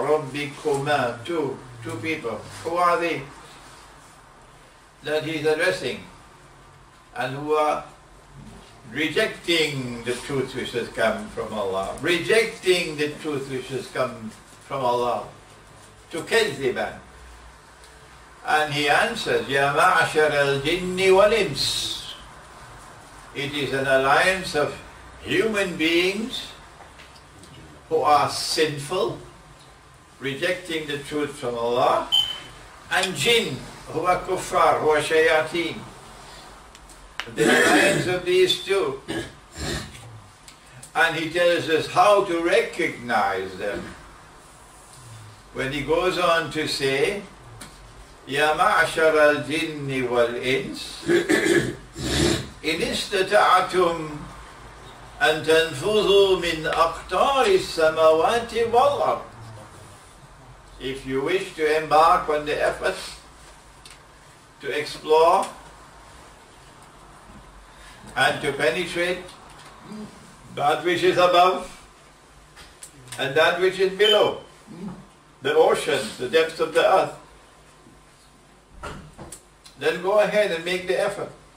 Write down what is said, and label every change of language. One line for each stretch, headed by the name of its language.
English: رَبِّكُمَا. Two people. Who are they that He's addressing? And who are rejecting the truth which has come from Allah? Rejecting the truth which has come from Allah. To كَذِّبًا. And He answers,
Arabic: يَا مَعْشَرَ الْجِنِّ وَالْإِنْسِ.
English: It is an alliance of human beings who are sinful, rejecting the truth from Allah, and jinn, who are kuffar, who are shayateen. The alliance of these two. And He tells us how to recognize them. When He goes on to say,
Arabic: يَا مَعْشَرَ الْجِنِّ وَالْإِنْسِ إِنْ إِسْتَطَعْتُمْ أَنْ تَنْفُذُوا مِنْ أَقْطَارِ السَّمَوَاتِ وَالْأَرْضِ.
English: If you wish to embark on the efforts to explore and to penetrate that which is above and that which is below, the oceans, the depths of the earth, then go ahead and make the effort.